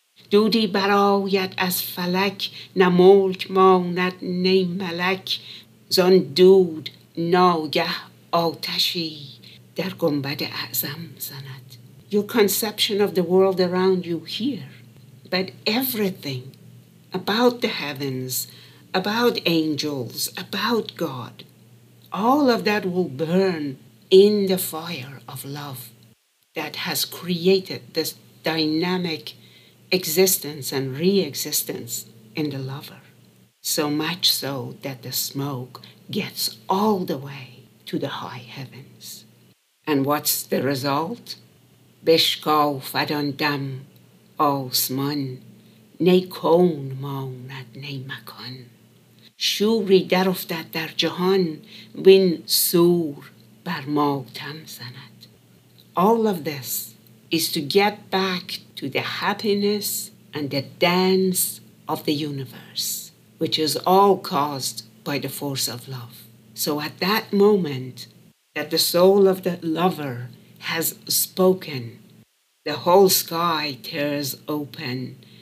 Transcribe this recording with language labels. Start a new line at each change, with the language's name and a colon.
Persian: دودی براید از فلک نه ملک ماند نه ملک زان دود ناگه آتشی در گنبد اعظم زند.
English: Your conception of the world around you here, but everything about the heavens, about angels, about God, all of that will burn in the fire of love that has created this dynamic existence and re-existence in the lover. So much so that the smoke gets all the way to the high heavens. And what's the result?
Persian: بشکافد آن دم آسمان نه کون ماند نه مکان شوری در افتد در جهان وین سور بر ماتم زند.
English: All of this is to get back to the happiness and the dance of the universe, which is all caused by the force of love. So at that moment that the soul of the lover has spoken, the whole sky tears open.